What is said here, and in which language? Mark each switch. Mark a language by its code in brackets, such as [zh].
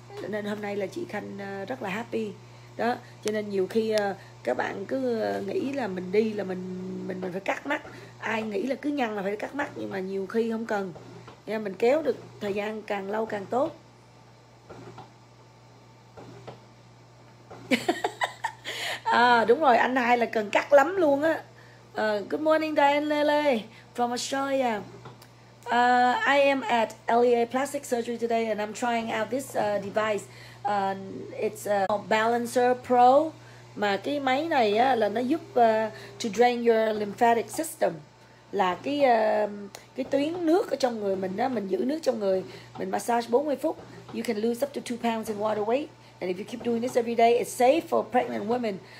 [vi] Nên hôm nay là chị Khanh rất là happy đó. Cho nên nhiều khi các bạn cứ nghĩ là mình đi là mình phải cắt mắt, ai nghĩ là cứ nhăn là phải cắt mắt, nhưng mà nhiều khi không cần, nên mình kéo được thời gian càng lâu càng tốt. À đúng rồi, anh hai là cần cắt lắm luôn á. [en] Good morning Diane Lele from Australia. I am at LEA Plastic Surgery today and I'm trying out this device. It's a Balancer Pro. [vi] Mà cái máy này á, là nó giúp [en] to drain your lymphatic system. [vi] Là cái tuyến nước ở trong người mình á, mình giữ nước trong người. Mình massage 40 phút. [en] You can lose up to 2 pounds in water weight. And if you keep doing this every day, it's safe for pregnant women.